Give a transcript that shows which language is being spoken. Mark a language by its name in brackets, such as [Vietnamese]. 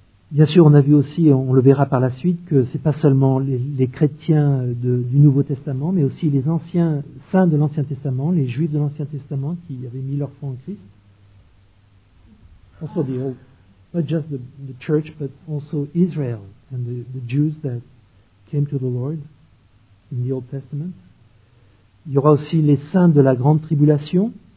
[French] Bien sûr, on a vu aussi, on le verra par la suite, que c'est pas seulement les chrétiens du Nouveau Testament, mais aussi les anciens saints de l'Ancien Testament, les juifs de l'Ancien Testament qui avaient mis leur foi en Christ. [English] also the old, not just the church, but also Israel and the Jews that came to the Lord in the Old Testament. [French] Il y aura aussi les saints de la grande tribulation.